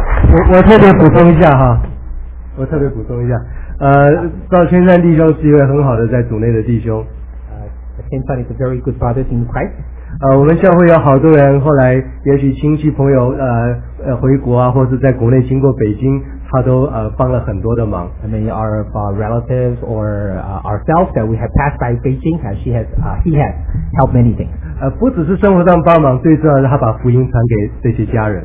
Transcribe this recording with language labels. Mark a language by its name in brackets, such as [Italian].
[Chinese] 我特别补充一下赵千善弟兄是一位很好的在主内的弟兄 [English] 千善 is a very good brother in Christ [Chinese] 我们教会有好多人后来也许亲戚朋友回国啊，或是在国内经过北京，他都帮了很多的忙。 [English] I mean, our relatives or ourselves that we have passed by Beijing, and she has, he has helped many things. [Chinese] 不只是生活上帮忙，最重要的是他把福音传给这些家人。